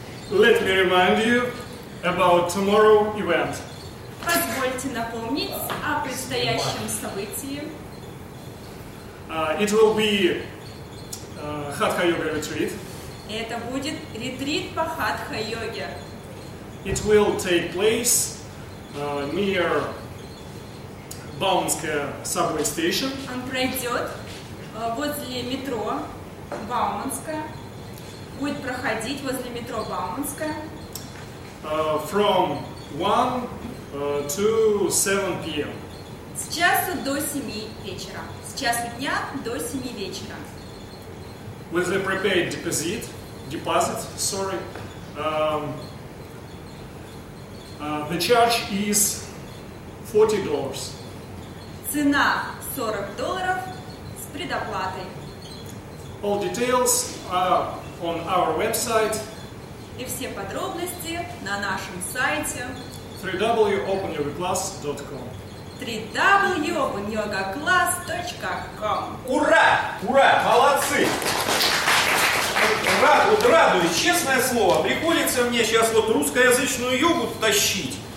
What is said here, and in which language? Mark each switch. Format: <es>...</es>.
<en>let me remind you about tomorrow event.</en> <ru>Позвольте напомнить о предстоящем событии.</ru> <en>It will be Hatha Yoga retreat.</en> <ru>Это будет ретрит по Hatha Yoga.</ru> <en>It will take place near Бауманская subway station.</en> <ru>Он пройдет возле метро Бауманская. Будет проходить возле метро Бауманская.</ru> <en>From 1 to 7 p.m.</en> <ru>С часу до 7 вечера. С часу дня до 7 вечера.</ru> <en>With a prepaid deposit, the charge is $40.</en> <ru>Цена $40 с предоплатой.</ru> <en>All details are on our website,</en> <ru>и все подробности на нашем сайте</ru> <en>www.openyogaclass.com. www.openyogaclass.com.</en> <ru>Ура! Ура! Молодцы! Вот радует, честное слово, приходится мне сейчас вот русскоязычную йогу тащить.</ru>